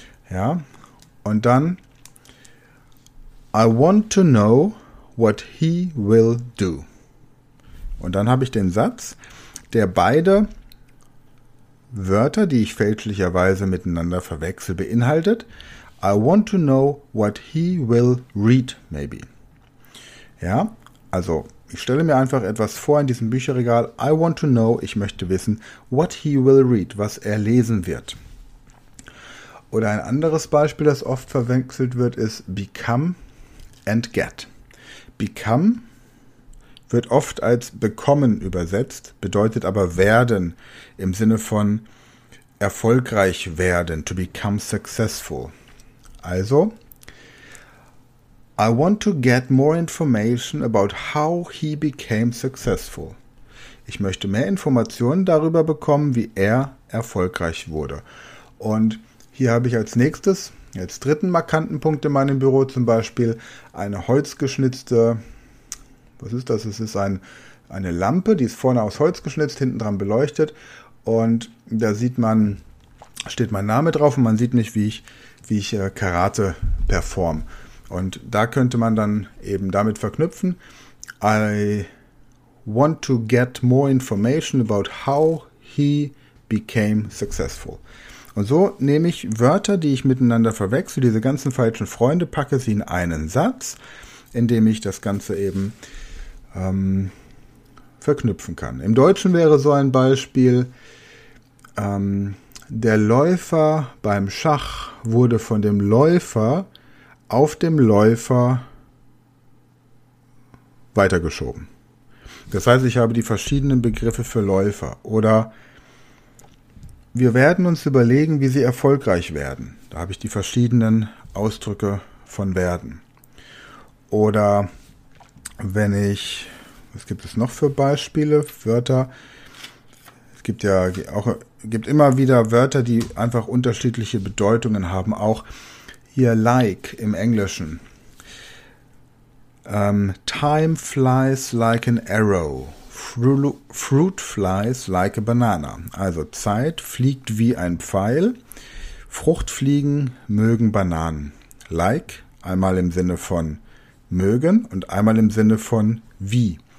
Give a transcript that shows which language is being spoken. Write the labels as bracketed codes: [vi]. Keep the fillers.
[de] Ja, und dann [en] I want to know what he will do. [de] Und dann habe ich den Satz, der beide Wörter, die ich fälschlicherweise miteinander verwechsel, beinhaltet. [en] I want to know what he will read, maybe. [de] Ja, also ich stelle mir einfach etwas vor in diesem Bücherregal. [en] I want to know, [de] ich möchte wissen, [en] what he will read, [de] was er lesen wird. Oder ein anderes Beispiel, das oft verwechselt wird, ist become and get. Become wird oft als bekommen übersetzt, bedeutet aber werden im Sinne von erfolgreich werden, [en] to become successful. Also, I want to get more information about how he became successful. [de] Ich möchte mehr Informationen darüber bekommen, wie er erfolgreich wurde. Und hier habe ich als nächstes, als dritten markanten Punkt in meinem Büro zum Beispiel, eine holzgeschnitzte, was ist das? Es ist ein, eine Lampe, die ist vorne aus Holz geschnitzt, hinten dran beleuchtet. Und da sieht man, steht mein Name drauf und man sieht mich, wie ich, wie ich Karate perform. Und da könnte man dann eben damit verknüpfen. [en] I want to get more information about how he became successful. [de] Und so nehme ich Wörter, die ich miteinander verwechsel, diese ganzen falschen Freunde, packe sie in einen Satz, indem ich das Ganze eben ähm, verknüpfen kann. Im Deutschen wäre so ein Beispiel, ähm, der Läufer beim Schach wurde von dem Läufer auf dem Läufer weitergeschoben. Das heißt, ich habe die verschiedenen Begriffe für Läufer. Oder wir werden uns überlegen, wie sie erfolgreich werden. Da habe ich die verschiedenen Ausdrücke von werden. Oder wenn ich, was gibt es noch für Beispiele, Wörter? Es gibt ja auch, gibt immer wieder Wörter, die einfach unterschiedliche Bedeutungen haben. Auch hier like im Englischen. [en] Um, time flies like an arrow. Fruit flies like a banana. [de] Also Zeit fliegt wie ein Pfeil. Fruchtfliegen mögen Bananen. Like einmal im Sinne von mögen und einmal im Sinne von wie.